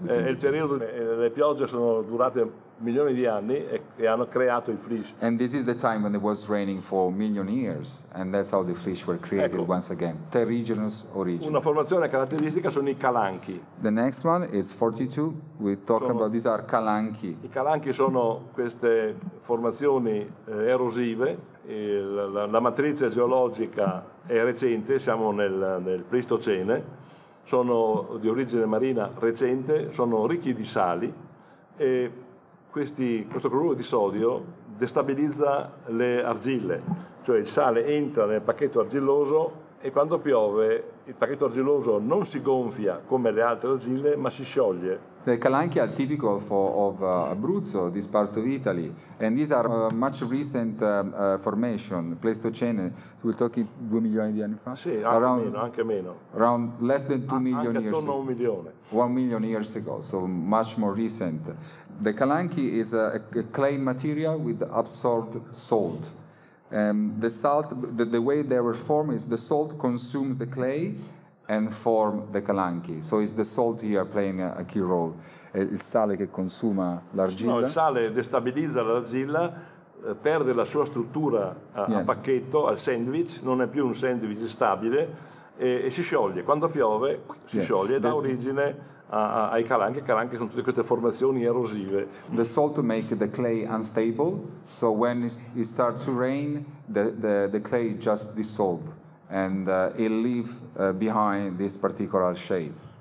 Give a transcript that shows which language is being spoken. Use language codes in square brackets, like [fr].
[it] Il periodo, le piogge sono durate milioni di anni e hanno creato il flesh. [en] And this is the time when it was raining for million years, and that's how the flesh were created, [it] ecco, [en] once again. Terrigenous origin. [it] Una formazione caratteristica sono I calanchi. [en] The next one is 42. We talk about these are calanchi. [it] I calanchi sono queste formazioni erosive. La matrice geologica è recente, siamo nel Pleistocene. Sono di origine marina recente, sono ricchi di sali e questo cloruro di sodio destabilizza le argille, cioè il sale entra nel pacchetto argilloso e quando piove il pacchetto argilloso non si gonfia come le altre argille, ma si scioglie. [en] The calanchi are typical of Abruzzo, this part of Italy, and these are much recent formation, Pleistocene. So we're talking 2 million di anni fa? [it] Sì, anche meno. [en] Around less than 2 million years ago. 1 million years ago, so much more recent. The calanchi is a clay material with absorbed salt. The salt, the way they were formed is the salt consumes the clay and form the calanchi. So it's the salt here playing a key role. [it] Il sale che consuma l'argilla. No, il sale destabilizza l'argilla, perde la sua struttura a pacchetto, al sandwich, non è più un sandwich stabile e si scioglie. Quando piove si scioglie e dà origine ai calanchi. I calanchi sono tutte queste formazioni erosive. [en] The salt make the clay unstable, so when it starts to rain, the clay just dissolve and it leave behind this particular shape.